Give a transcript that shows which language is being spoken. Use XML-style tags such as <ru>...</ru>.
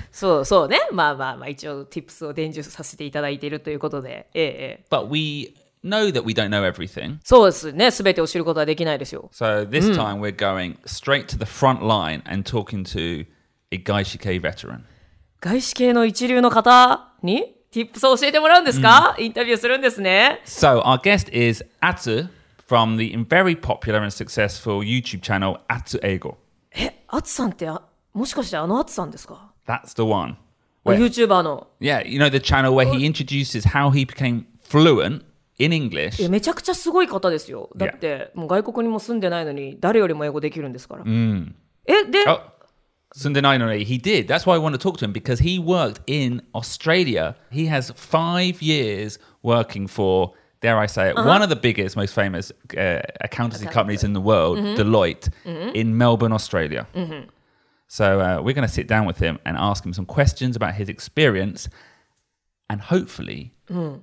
<ja>そうそうねまあまあまあ一応 tips を伝授させていただいているということで、ええ、</ja> <en>But we know that we don't know everything</en> <ja>そうですね全てを知ることはできないですよ</ja> <en>So this time we're going straight to the front line and talking to a 外資系 veteran</en> <ja>外資系の一流の方に tips を教えてもらうんですか、mm. インタビューするんですね</ja> <en>So our guest is Atsu from the very popular and successful YouTube channel Atsu Eigo</en> <ja>アツさんってもしかしてあのアツさんですか</ja> <en>That's the one. Where,</en> <ja>YouTuber の。</ja> <en>Yeah, you know the channel where he introduces how he became fluent in English.</en> <ja>めちゃくちゃすごい方ですよ。だって、yeah. もう外国にも住んでないのに誰よりも英語できるんですから。 Mm. え、で、</ja> <en>oh,</en> <ja>住んでないのに、</ja> <en>he did. That's why I want to talk to him because he worked in Australia. He has 5 years working for, dare I say it,、uh-huh. one of the biggest, most famous accountancy companies in the world,、mm-hmm. Deloitte,、mm-hmm. in Melbourne, Australia.、 Mm-hmm. So、we're going to sit down with him and ask him some questions about his experience and hopefully、mm.</en>